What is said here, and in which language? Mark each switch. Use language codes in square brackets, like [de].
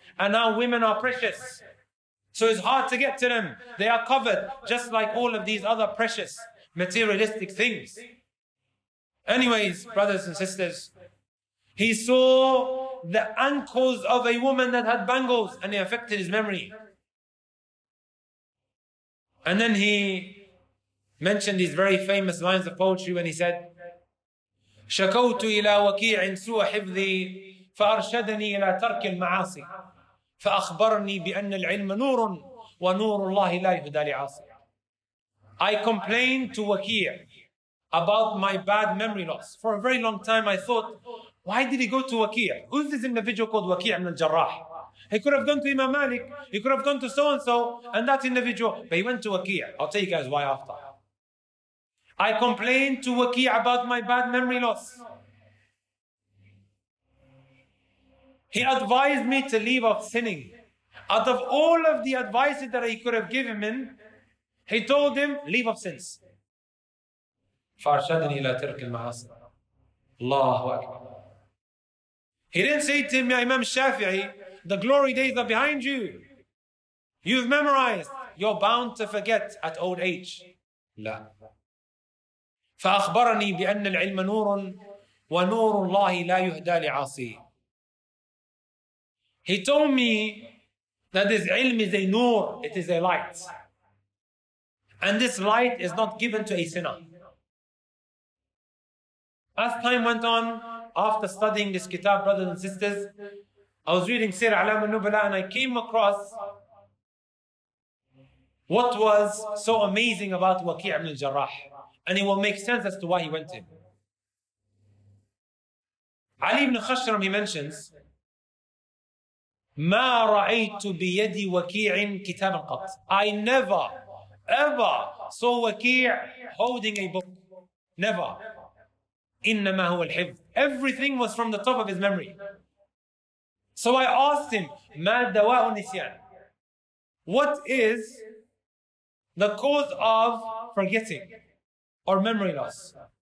[en] And now women are precious. So it's hard to get to them. They are covered just like all of these other precious materialistic things. Anyways, brothers and sisters, he saw the ankles of a woman that had bangles and it affected his memory. And then he mentioned these very famous lines of poetry when he said, [ar] شَكَوْتُ إِلَىٰ وَكِيعٍ سُوَ حِفْذِي فَأَرْشَدَنِي إِلَىٰ تَرْكِ الْمَعَاصِي فَأَخْبَرْنِي بِأَنَّ الْعِلْمَ نُورٌ وَنُورُ اللَّهِ لَا يُهْدَى لِعَاصِي. [en] I complained to Waqi' about my bad memory loss. For a very long time I thought, why did he go to Waqi'? Who's this individual called Waqi' ibn al-Jarrah? He could have gone to Imam Malik, he could have gone to so-and-so, and that individual, but he went to Waqi'. I'll tell you guys why after. I complained to Waqi' about my bad memory loss. He advised me to leave off sinning. Out of all of the advices that he could have given him, he told him, leave off sins. [ar] فَأَرْشَدْنِي إِلَىٰ تِرْكِ الْمَعَاصِي. Allahu Akbar. [en] He didn't say to him, ya Imam Shafi'i, the glory days are behind you. You've memorized. You're bound to forget at old age. [ar] لا. فأخبرني بأن العلم نور ونور الله لا يهدى لعاصيه. [en] He told me that this ilm is a nur, it is a light. And this light is not given to a sinner. As time went on, after studying this kitab, brothers and sisters, I was reading Sir Alam al-Nubala and I came across what was so amazing about Waqi' ibn al-Jarrah. And it will make sense as to why he went to him. [ar] Ali ibn Khashram, [en] he mentions, [ar] ما رأيت بيدي وكيع كتابا قط. [en] I never, ever saw وكيع holding a book. Never. [ar] إنما هو الحفظ. [en] Everything was from the top of his memory. So I asked him, [ar] ما دواء النسيان? [en] What is the cause of forgetting or memory loss?